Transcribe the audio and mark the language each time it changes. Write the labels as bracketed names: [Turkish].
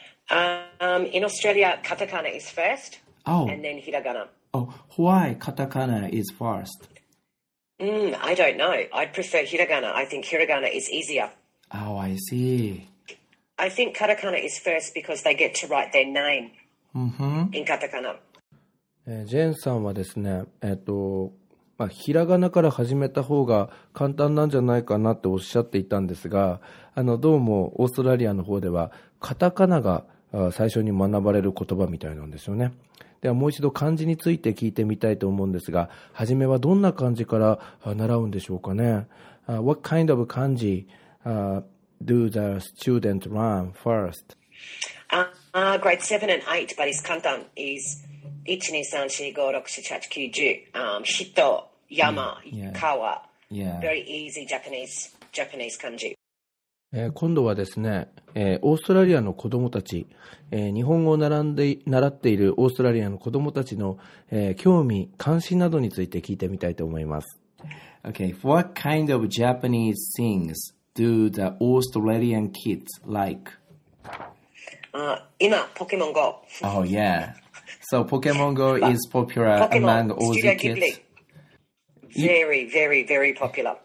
[English] In Australia, katakana is first. Oh. And then hiragana. Oh, why katakana is first? I don't know. I'd prefer hiragana. I think hiragana is easier. Oh, I see. I think katakana is first because they get to write their name mm-hmm. in katakana. [Japanese] ジェンさんはですね、まあ、ひらがなから始めた方が簡単なんじゃないかなっておっしゃっていたんですが、どうもオーストラリアの方ではカタカナが最初に学ばれる言葉みたいなんですよね。ではもう一度漢字について聞いてみたいと思うんですが、初めはどんな漢字から習うんでしょうかね。 [English] What kind of 漢字do the student learn first? Grade 7 and 8, but it's 簡単 is 1,2,3,4,5,6,7,8,9,10 Hito, Yama, Kawa. Very easy Japanese 漢字。 [Japanese] 今度はですね、オーストラリアの子どもたち、日本語を習っているオーストラリアの子どもたちの、興味関心などについて聞いてみたいと思います。 [English] Okay, what kind of Japanese things do the Australian kids like? [Japanese] 今ポケモン GO. [English] Oh yeah. So Pokemon Go is popular among Aussie kids. Very, very, very popular.